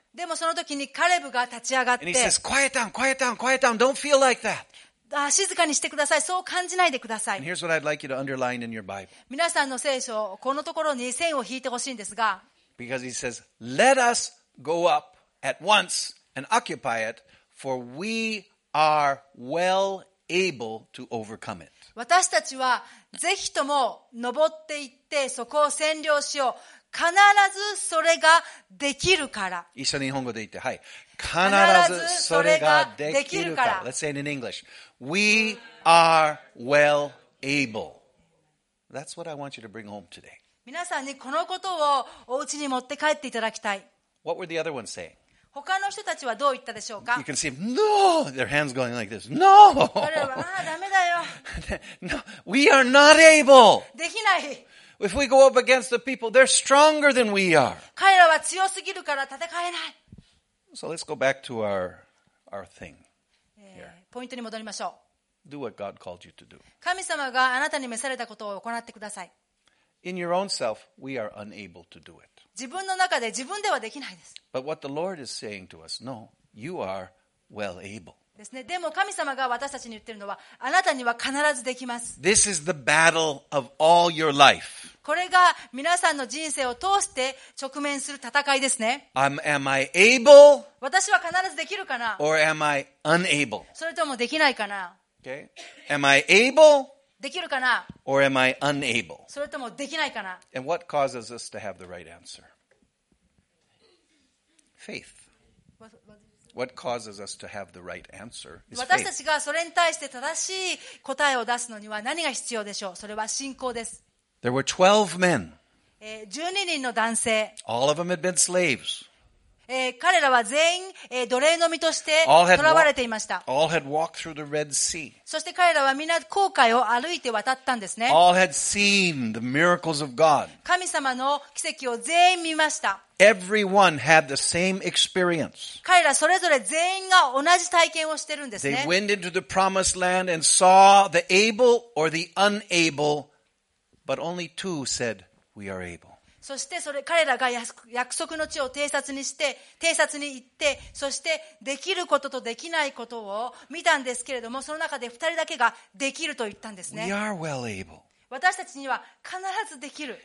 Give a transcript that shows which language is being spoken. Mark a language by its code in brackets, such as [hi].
[ja] でもその時にカレブが立ち上がって、 [en] And he says, quiet down, quiet down, quiet down, don't feel like that. [ja] 静かにしてください。そう感じないでください。 [en] And here's what I'd like you to underline in your Bible. [ja] 皆さんの聖書、このところに線を引いてほしいんですが。 [en] Because he says, let us go up at once and occupy it, for we are well able to overcome it. [ja] 私たちはぜひとも登っていって、そこを占領しよう。必ずそれができるから。一緒に日本語で言って、はい。必ずそれができるから。 [en] Let's say it in English. We are well able. That's what I want you to bring home today. [ja] 皆さんにこのことをお家に持って帰っていただきたい。 [en] What were the other ones saying? [ja] 他の人たちはどう言ったでしょうか? [en] You can see, no! Their hands going like this. No! [ja] ダメだよ。 [en] No, we are not able! [ja] できない。 [en] If we go up against the people, they're stronger than we are. [ja] 彼らは強すぎるから戦えない。 [en] So let's go back to our thing here. [ja] ポイントに戻りましょう。 [en] Do what God called you to do. [ja] 神様があなたに召されたことを行ってください。 [en] In your own self, we are unable to do it. [ja] 自分の中で自分ではできないです。 [en] But what the Lord is saying to us, no, you are well able. [ja] ですね。でも神様が私たちに言ってるのは、あなたには必ずできます。 [en] This is the battle of all your life. [ja] これが皆さんの人生を通して直面する戦いですね。 [en] Am I able? [ja] 私は必ずできるかな? [en] Or am I unable? [ja] それともできないかな? [en] Okay. Am I able? [ja] できるかな? [en] Or am I unable? [ja] それともできないかな? [en] And what causes us to have the right answer? Faith. What causes us to have the right answer is faith. [ja] 私たちがそれに対して正しい答えを出すのには何が必要でしょう? それは信仰です。 [en] There were 12 men. [ja] 12人の男性。 [en] All of them had been slaves. [ja] 彼らは全員、奴隷の身として囚われていました。 [en] All had walked through the Red Sea. [ja] そして彼らはみんな航海を歩いて渡ったんですね。 [en] All had seen the miracles of God. [ja] 神様の奇跡を全員見ました。 [en] Everyone had the same experience. [ja] 彼らそれぞれ全員が同じ体験をしてるんですね。 [en] They went into the promised land and saw the able or the unable, but only two said, "We are able." [ja] そしてそれ彼らが約束の地を偵察に行って、そしてできることとできないことを見たんですけれども、その中で2人だけができると言ったんですね。 [en] We are well able. [ja] 私たちには必ずできる。